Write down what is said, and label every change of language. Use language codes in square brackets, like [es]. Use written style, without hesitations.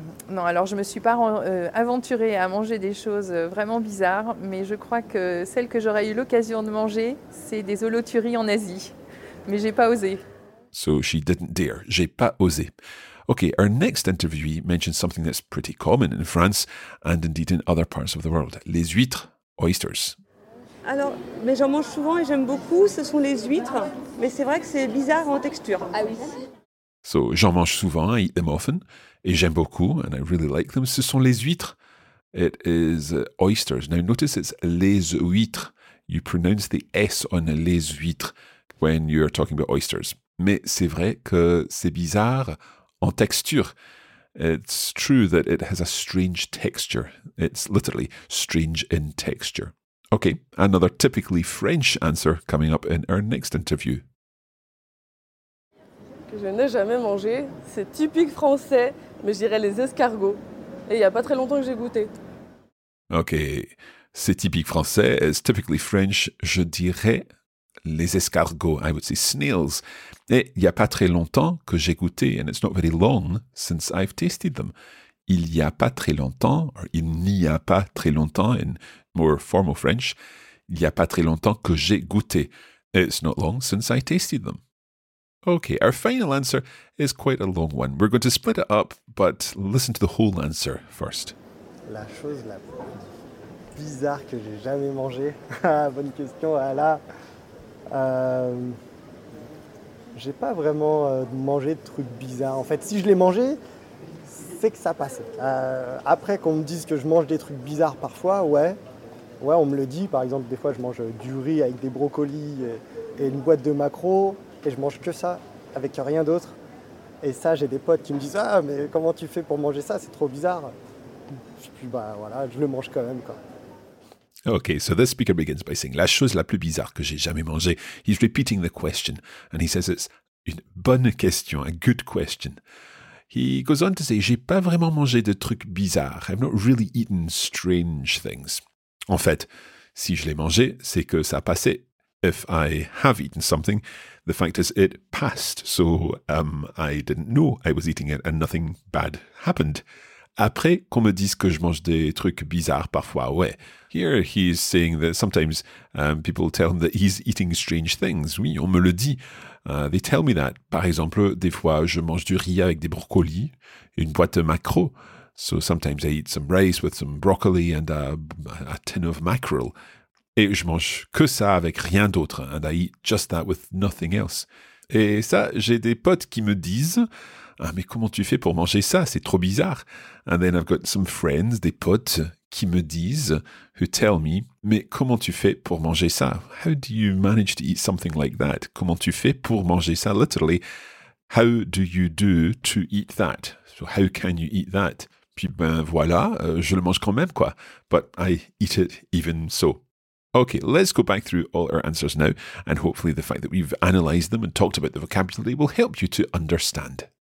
[fr] Non, alors je me suis pas aventurée à manger des choses vraiment bizarres, mais je crois que celle que j'aurais eu l'occasion de manger, c'est des holothuries en Asie. Mais j'ai pas osé. [en] So, she didn't dare. [fr] J'ai pas osé. [en] Okay, our next interviewee mentions something that's pretty common in France and indeed in other parts of the world, [fr] les huîtres, [en] oysters. [fr] Alors, mais j'en mange souvent et j'aime beaucoup, ce sont les huîtres, mais c'est vrai que c'est bizarre en texture. Ah oui. So, j'en mange souvent, [en] I eat them often, [fr] et j'aime beaucoup, [en] and I really like them, [fr] ce sont les huîtres. [en] It is oysters. Now notice it's les huîtres. You pronounce the S on les huîtres when you're talking about oysters. [fr] Mais c'est vrai que c'est bizarre en texture. [en] It's true that it has a strange texture. It's literally strange in texture. Okay, another typically French answer coming up in our next interview. [fr] Que je n'ai jamais mangé, c'est typique français, mais je dirais les escargots. Et il n'y a pas très longtemps que j'ai goûté. [en] Okay, [fr] c'est typique français, [en] it's typically French, [fr] je dirais les escargots, [en] I would say snails. [fr] Et il n'y a pas très longtemps que j'ai goûté, [en] and it's not very long since I've tasted them. [fr] Il n'y a pas très longtemps, or il n'y a pas très longtemps, [en] in more formal French, [fr] il n'y a pas très longtemps que j'ai goûté. [en] It's not long since I tasted them. Okay, our final answer is quite a long one. We're going to split it up, but listen to the whole answer first. [fr] La chose la plus bizarre que j'ai jamais mangée. Bonne question, voilà. J'ai pas vraiment mangé de trucs bizarres. En fait, si je l'ai mangé, c'est que ça passait. Après qu'on me dise que je mange des trucs bizarres parfois, ouais. Ouais, on me le dit. Par exemple, des fois, je mange du riz avec des brocolis et une boîte de maquereaux. Et je mange que ça, avec rien d'autre. Et ça, j'ai des potes qui me disent « Ah, mais comment tu fais pour manger ça? C'est trop bizarre. » Puis, bah voilà, je le mange quand même, quoi. [en] Okay, so this speaker begins by saying, [fr] la chose la plus bizarre que j'ai jamais mangé. [en] He's repeating the question, and he says it's [fr] une bonne question, [en] a good question. He goes on to say, [fr] j'ai pas vraiment mangé de trucs bizarres. [en] I've not really eaten strange things. [fr] En fait, si je l'ai mangé, c'est que ça a passé. [en] If I have eaten something, the fact is it passed, so I didn't know I was eating it and nothing bad happened. [fr] Après qu'on me dise que je mange des trucs bizarres parfois, ouais. [en] Here he is saying that sometimes people tell him that he's eating strange things. [fr] Oui, on me le dit. [en] They tell me that. [fr] Par exemple, des fois, je mange du riz avec des brocolis, une boîte de maquereaux. [en] So sometimes I eat some rice with some broccoli and a tin of mackerel. [fr] Et je mange que ça avec rien d'autre. [en] And I eat just that with nothing else. [fr] Et ça, j'ai des potes qui me disent, ah, mais comment tu fais pour manger ça? C'est trop bizarre. [en] And then I've got some friends, [fr] des potes, qui me disent, [en] who tell me, [fr] mais comment tu fais pour manger ça? [en] How do you manage to eat something like that? [fr] Comment tu fais pour manger ça? [en] Literally, how do you do to eat that? So how can you eat that? [fr] Puis ben voilà, je le mange quand même quoi. [en] But I eat it even so. Okay, let's go back through all our answers now, and hopefully the fact that we've analysed them and talked about the vocabulary will help you to understand.